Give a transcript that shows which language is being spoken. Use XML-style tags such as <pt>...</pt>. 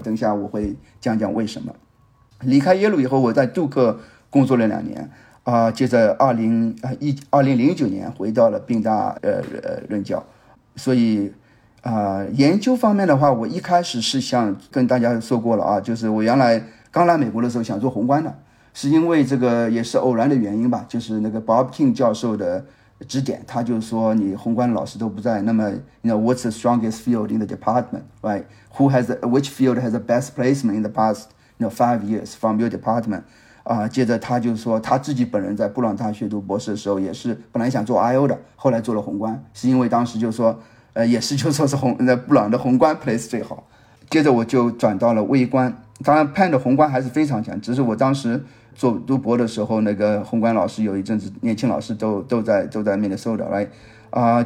<zh>等一下我会讲讲为什么。离开耶鲁以后，我在杜克工作了两年，接着2009年回到了宾大任教。所以研究方面的话，我一开始是想跟大家说过了啊，就是我原来刚来美国的时候想做宏观的。是因为这个也是偶然的原因吧，就是那个 Bob King 教授的指点，他就说你宏观老师都不在，那么</zh> <en>you know, what's the strongest field in the department, right? Which field has the best placement in the past you know, 5 years from your department?</en> <zh>接着他就说他自己本人在布朗大学读博士的时候也是本来想做 IO 的，后来做了宏观，是因为当时就说也是就说是布朗的宏观 place 最好。接着我就转到了微观，当然 PAN 的宏观还是非常强，只是我当时做读博的时候那个宏观老师有一阵子年轻老师都在 Minnesota、right?</zh>